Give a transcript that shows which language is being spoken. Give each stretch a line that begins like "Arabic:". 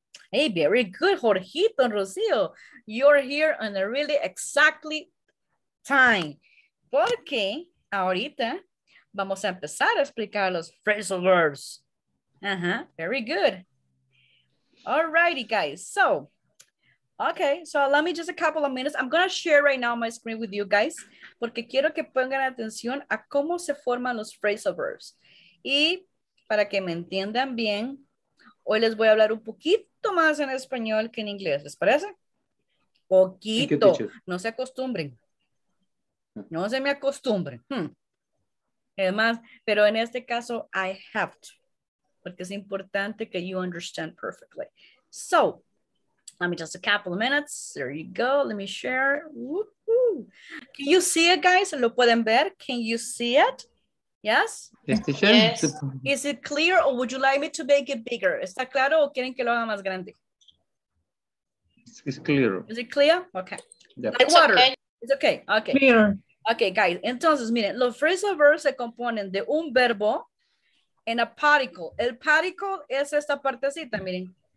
English: Hey, very good, Jorgito, Rocío. You're here on a really exactly time.
Spanish: Porque ahorita vamos a empezar a explicar los phrasal verbs. Uh-huh.
English: Very good. All righty, guys. So, okay. So, let me just a couple of minutes. I'm going to share right now my screen with you guys.
Spanish: Porque quiero que pongan atención a cómo se forman los phrasal verbs. Y para que me entiendan bien, hoy les voy a hablar un poquito más en español que en inglés. ¿Les parece? Poquito. No se acostumbren. No se me acostumbre. Es más, pero en este caso,
English: I have to.
Spanish: Porque es importante que
English: you understand perfectly. So, let me just a couple of minutes. There you go. Let me share. Woo-hoo. Can you see it, guys?
Spanish: ¿Lo pueden ver?
English: Can you see it? Yes? Yes. Is it clear or would you like me to make it bigger?
Spanish: ¿Está claro o quieren que lo haga más grande?
English: It's clear. Is it clear? Okay. Yeah. Like water. It's okay. Okay.
Spanish: Mira.
English: Okay, guys.
Spanish: Entonces, miren, los phrasal verbs se componen de un verbo
English: and a particle.
Spanish: El particle es esta partecita, miren.